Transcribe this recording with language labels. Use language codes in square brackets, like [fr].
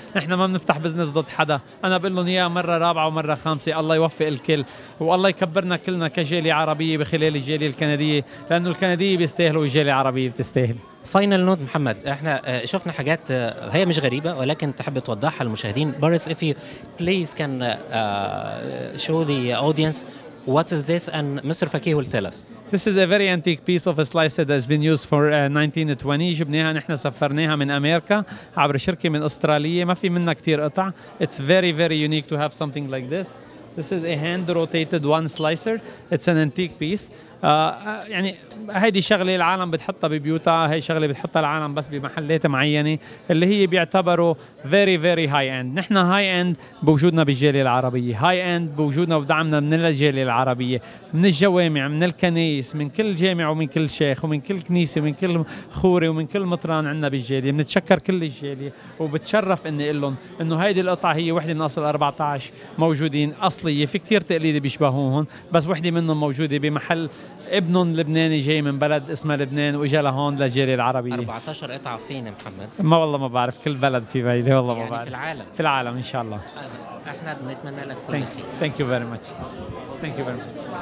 [ar] نحن ما بنفتح بزنس ضد حدا. انا بقول لهم اياها مره رابعه ومره خامسه، الله يوفق الكل والله يكبرنا كلنا كجالية عربيه بخلال الجالية الكنديه، لانه الكنديه بيستاهلوا والجالية العربيه بتستاهل. فاينل نوت محمد، احنا شفنا حاجات هي مش غريبه ولكن تحب توضحها للمشاهدين. [en] Paris, if you please can show the audience What is this? And Mr. Fakih will tell us. This is a very antique piece of a slice that has been used for 1920. [ar] جبناها نحن سفرناها من أمريكا عبر شركة من أسترالية. ما في منها كتير قطع. [en] It's very very unique to have something like this. This is a hand rotated one slicer. It's an antique piece. [ar] يعني هيدي شغلة العالم بتحطها ببيوتها، هاي شغلة بتحطها العالم بس بمحلات معينة اللي هي بيعتبروا [en] very very high end. [ar] نحن high end بوجودنا بالجالية العربية، high end بوجودنا ودعمنا من الجالية العربية، من الجوامع، من الكنائس، من كل جامع ومن كل شيخ ومن كل كنيسة ومن كل خوري ومن كل مطران عندنا بالجالية. بنتشكر كل الجالية وبتشرف اني اقول لهم انه هيدي القطعة هي وحدة من اصل 14 موجودين اصلية. في كتير تقليدي بيشبهوهم بس وحدة منهم موجودة بمحل ابنهم لبناني جاي من بلد اسمه لبنان واجا لهون للجالية العربية. 14 قطعة فين محمد؟ ما والله ما بعرف، كل بلد في بالي والله يعني ما بعرف. في العالم؟ في العالم ان شاء الله. احنا بنتمنى لك كل خير. [en] Thank you very much. Thank you very much.